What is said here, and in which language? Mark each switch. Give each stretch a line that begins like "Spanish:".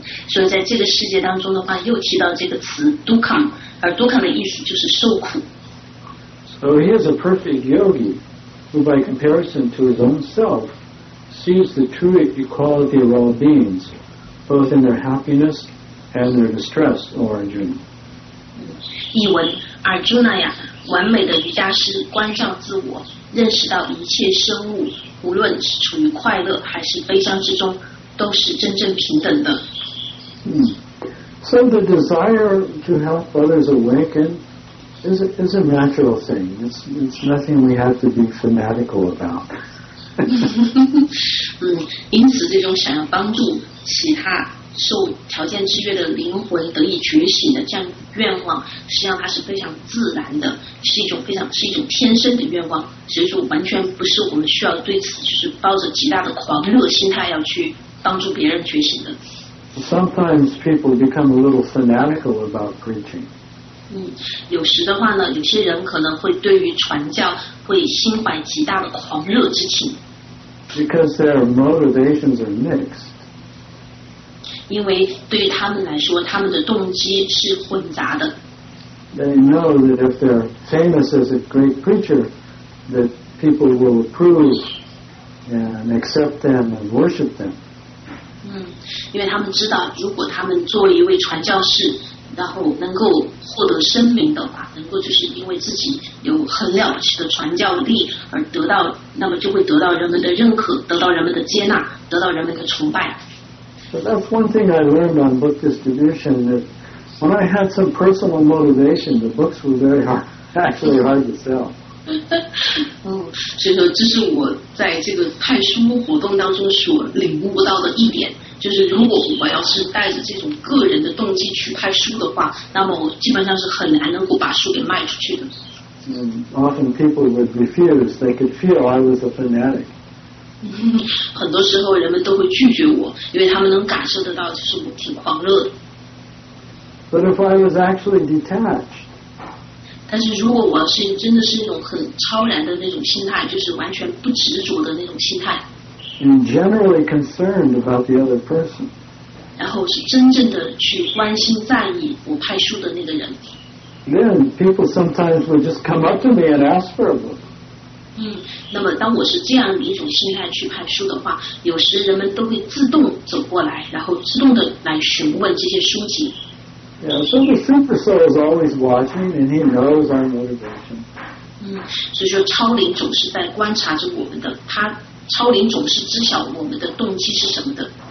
English: So in this world, he also mentioned this word, dukkham, and dukkham means suffering. So he is a perfect yogi, who by comparison to his own self, sees the true equality of all beings, both in their happiness and their distress, O Arjuna.
Chinese: 译文 Arjuna 呀，完美的瑜伽师关照自我，认识到一切生物无论是处于快乐还是悲伤之中，都是真正平等的。
English: So the desire to help others awaken is a natural thing. It's nothing we have to be fanatical about.
Chinese: 因此这种想要帮助其他受条件制约的灵魂得以觉醒的这样愿望，实际上它是非常自然的，是一种天生的愿望，所以说完全不是我们需要对此就是抱着极大的狂热心态要去帮助别人觉醒的。
English: Sometimes people become a little fanatical about preaching.
Chinese: 有时的话呢，有些人可能会对于传教会心怀极大的狂热之情。
English: Because their motivations are mixed.
Chinese: 因为对于他们来说，他们的动机是混杂的。
English: They know that if they're famous as a great preacher, that people will approve and accept them and worship them.
Chinese: 因为他们知道，如果他们做一位传教士，然后能够获得声名的话，能够就是因为自己有很了不起的传教力而得到，那么就会得到人们的认可，得到人们的接纳，得到人们的崇拜。
English: So that's one thing I learned on book distribution, that when I had some personal motivation, the books were very hard, actually hard to sell.
Chinese: 所以说这是我在这个派书活动当中所领悟到的一点，就是如果我要是带着这种个人的动机去派书的话，那么我基本上是很难能够把书给卖出去的。
English: Often people would refuse. They could feel I was a fanatic.
Chinese: 很多时候人们都会拒绝我，因为他们能感受得到就是我挺狂热的。
English: But if I was actually detached,
Chinese: 但是如果我是真的是一种很超然的那种心态，就是完全不执着的那种心态。
English: And generally concerned about the other person.
Chinese: 然后是真正的去关心在意我派书的那个人。
English: Then people sometimes would just come up to me and ask for a book.
Chinese: 那么当我是这样一种心态去看书的话，有时人们都会自动走过来，然后自动的来询问这些书籍。
English: So the super soul is always watching, and he knows our motivation. 所以说超灵总是在观察着我们的，他超灵总是知晓我们的动机是什么的。